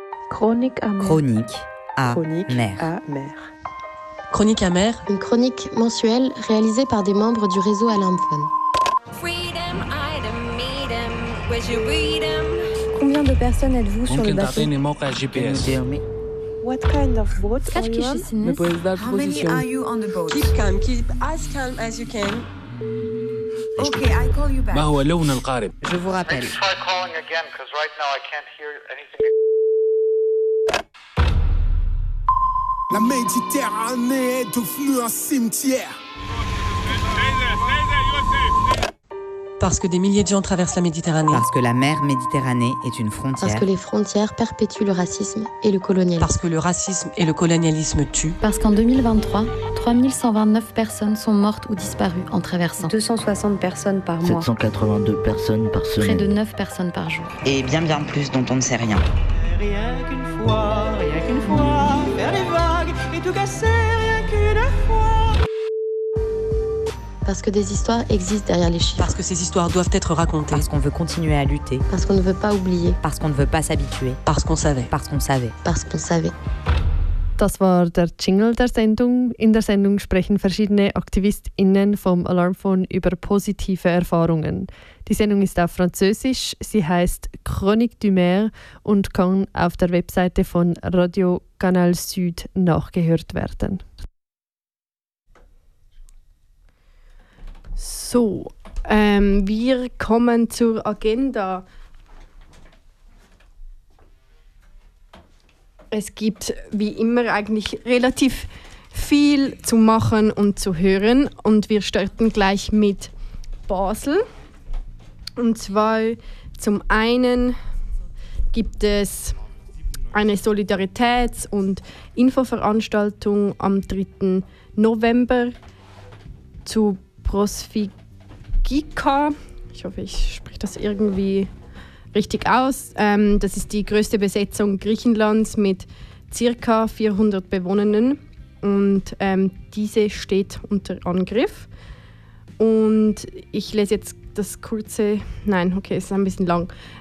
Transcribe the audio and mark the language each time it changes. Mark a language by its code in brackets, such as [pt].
[fr] Chronique à mer. Chronique à mer. Chronique amère. Une chronique mensuelle réalisée par des membres du réseau Alarmfon. Combien de personnes êtes-vous sur le bateau? [en] Can you hear me? What kind of boat are you on? Me pose that position. How many are you on the boat? Keep calm. Keep as calm as you can. Okay, I call you back. [ar] ما هو لون القارب؟ [fr] Je vous rappelle. [en] Let's try calling again, because right now I can't hear anything. [fr] La Méditerranée est devenue un cimetière. Parce que des milliers de gens traversent la Méditerranée. Parce que la mer Méditerranée est une frontière. Parce que les frontières perpétuent le racisme et le colonialisme. Parce que le racisme et le colonialisme tuent. Parce qu'en 2023, 3129 personnes sont mortes ou disparues en traversant. 260 personnes par mois. 782 personnes par semaine. Près de 9 personnes par jour. Et bien bien plus dont on ne sait rien. Rien qu'une fois, faire les vagues et tout casser rien qu'une fois. Parce que des histoires existent derrière les chiffres. Parce que ces histoires doivent être racontées. Parce qu'on veut continuer à lutter. Parce qu'on ne veut pas oublier. Parce qu'on ne veut pas s'habituer. Parce qu'on savait. Parce qu'on savait. Parce qu'on savait. [de] Das war der Jingle der Sendung. In der Sendung sprechen verschiedene AktivistInnen vom Alarmfon über positive Erfahrungen. Die Sendung ist auf Französisch, sie heißt Chronique du Maire und kann auf der Webseite von Radio Canal Süd nachgehört werden. So, wir kommen zur Agenda. Es gibt wie immer eigentlich relativ viel zu machen und zu hören. Und wir starten gleich mit Basel. Und zwar zum einen gibt es eine Solidaritäts- und Infoveranstaltung am 3. November zu Prosfigica. Ich hoffe, ich spreche das irgendwie richtig aus. Das ist die größte Besetzung Griechenlands mit ca. 400 Bewohnern und diese steht unter Angriff. Und ich lese jetzt das kurze, es ist ein bisschen lang.